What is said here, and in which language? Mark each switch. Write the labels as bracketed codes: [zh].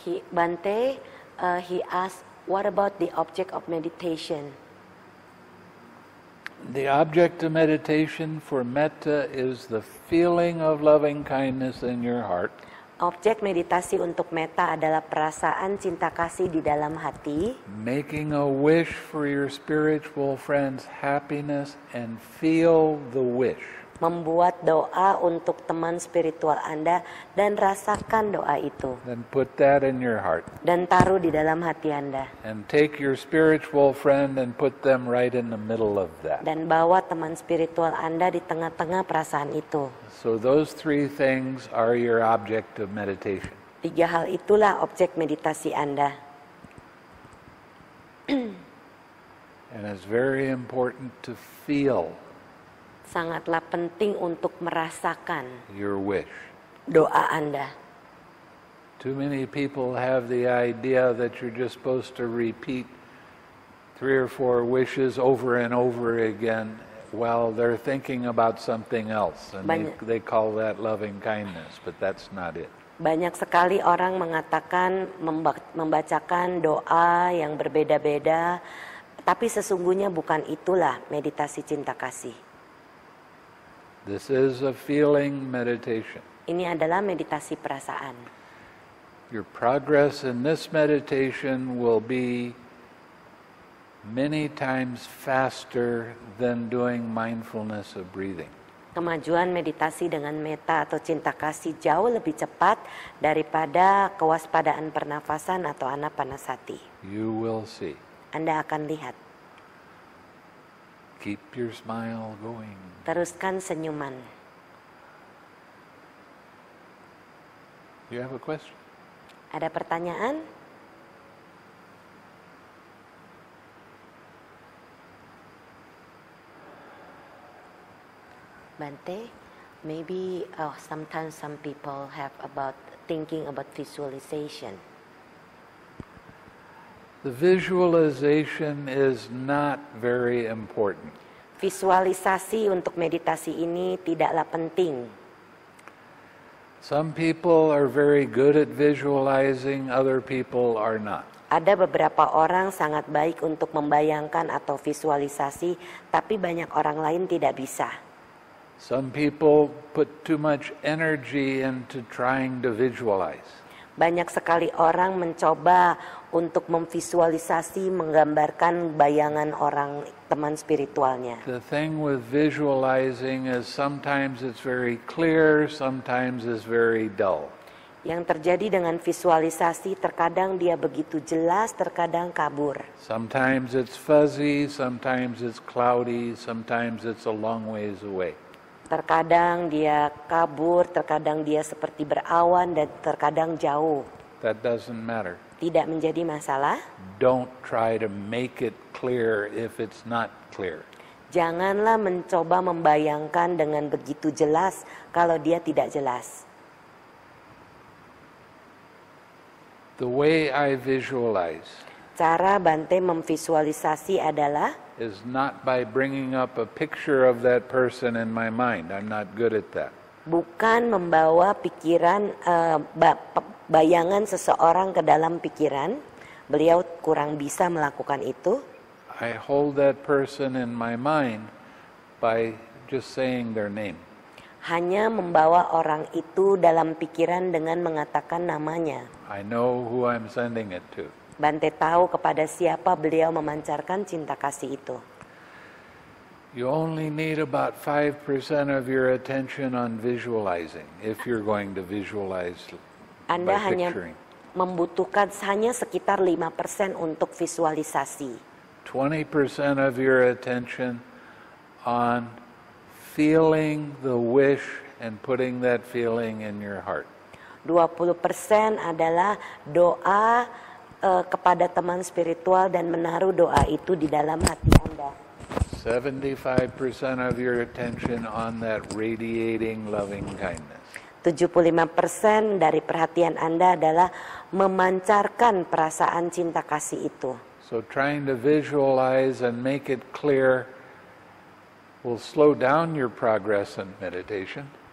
[en] Bhante, he asked, what about the object of meditation? The object of meditation for metta is the feeling of loving kindness in your heart. [id] Objek meditasi untuk metta adalah perasaan cinta kasih di dalam hati. [en] Making a wish for your spiritual friend's happiness and feel the wish. [id] Membuat doa untuk teman spiritual Anda dan rasakan doa itu. [en] Then put that in your heart. [id] Dan taruh di dalam hati Anda. [en] And take your spiritual friend and put them right in the middle of that. [id] Dan bawa teman spiritual Anda di tengah-tengah perasaan itu. [en] So those three things are your object of meditation. [id] Tiga hal itulah objek meditasi Anda. [en] And it's very important to feel. [id] Sangatlah penting untuk merasakan [en] your wish. [id] Doa Anda. [en] Too many people have the idea that you're just supposed to repeat three or four wishes over and over again while they're thinking about something else. And they call that loving kindness, but that's not it. [id] Banyak sekali orang mengatakan membacakan doa yang berbeda-beda, tapi sesungguhnya bukan itulah meditasi cinta kasih. [en] This is a feeling meditation. [id] Ini adalah meditasi perasaan. [en] Your progress in this meditation will be many times faster than doing mindfulness of breathing. [id] Kemajuan meditasi dengan metta atau cinta kasih jauh lebih cepat daripada kewaspadaan pernafasan atau anapanasati. [en] You will see. [id] Anda akan lihat. [en] Keep your smile going. [id] Teruskan senyuman. [en] You have a question? [id] Ada pertanyaan? [en] Bhante, maybe sometimes some people have about thinking about visualization. The visualization is not very important. [id] Visualisasi untuk meditasi ini tidaklah penting. [en] Some people are very good at visualizing, other people are not. [id] Ada beberapa orang sangat baik untuk membayangkan atau visualisasi, tapi banyak orang lain tidak bisa. [en] Some people put too much energy into trying to visualize. [id] Banyak sekali orang mencoba untuk memvisualisasi, menggambarkan bayangan orang teman spiritualnya. [en] The thing with visualizing is sometimes it's very clear, sometimes it's very dull. [id] Yang terjadi dengan visualisasi, terkadang dia begitu jelas, terkadang kabur. [en] Sometimes it's fuzzy, sometimes it's cloudy, sometimes it's a long ways away. [id] Terkadang dia kabur, terkadang dia seperti berawan, dan terkadang jauh. [en] That doesn't matter. [id] Tidak menjadi masalah. [en] Don't try to make it clear if it's not clear. [id] Janganlah mencoba membayangkan dengan begitu jelas kalau dia tidak jelas. [en] The way I visualize. [id] Cara Bhante memvisualisasi adalah [en] is not by bringing up a picture of that person in my mind. I'm not good at that. [id] Bukan membawa pikiran bayangan seseorang ke dalam pikiran. Beliau kurang bisa melakukan itu. [en] I hold that person in my mind by just saying their name. [id] Hanya membawa orang itu dalam pikiran dengan mengatakan namanya. [en] I know who I'm sending it to. [id] Bhante tahu kepada siapa beliau memancarkan cinta kasih itu. [en] You only need about 5% of your attention on visualizing if you're going to visualize. [id] Anda hanya membutuhkan hanya sekitar 5% untuk visualisasi. [en] 20% of your attention on feeling the wish and putting that feeling in your heart. [id] 20% adalah doa kepada teman spiritual dan menaruh doa itu di dalam hati Anda. [en] 75% of your attention on that radiating loving kindness. [id] 75% dari perhatian Anda adalah memancarkan perasaan cinta kasih itu. [en] So trying to visualize and make it clear will slow down your progress in meditation.